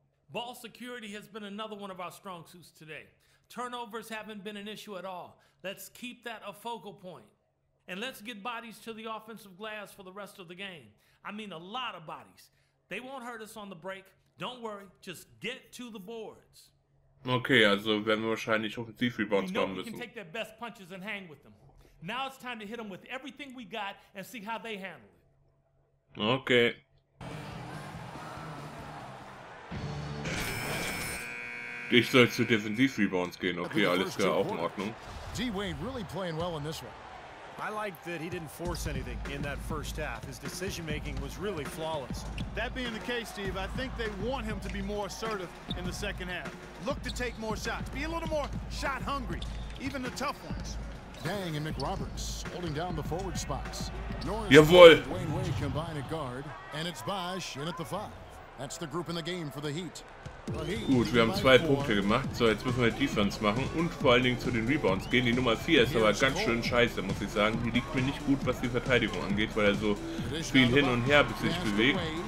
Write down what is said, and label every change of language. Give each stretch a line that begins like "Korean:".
English: Ball security has been another one of our strong suits today. Turnovers haven't been an issue at all. Let's keep that a focal point. And let's get bodies to the offensive glass for the rest of the game. I mean a lot of bodies. They won't hurt us on the break. Don't worry, just get to the boards.
German: Okay, also werden wir wahrscheinlich offensiv Rebounds bauen müssen.
English: We can take their best punches and hang with them. Now it's time to hit them with everything we got and see how they handle it. Okay.
German: Ich soll zu defensiv Rebounds gehen. Okay, alles klar, auch in Ordnung.
English: D-Wayne really playing well in this one. I like that he didn't force anything in that first half. His decision making was really flawless. That being the case, Steve, I think they want him to be more assertive in the second half. Look to take more shots. Be a little more shot hungry, even the tough ones. Dang and McRoberts holding down the forward spots.
German: Norris, jawohl.
English: Wayne Wade combine at guard, and it's Bosch in at the five. That's the group in the game for the Heat.
German: Gut, wir haben 2 Punkte gemacht. So, jetzt müssen wir Defense machen und vor allen Dingen zu den Rebounds gehen. Die Nummer 4 ist aber ganz schön scheiße, muss ich sagen. Die liegt mir nicht gut, was die Verteidigung angeht, weil er so viel hin und her sich bewegt.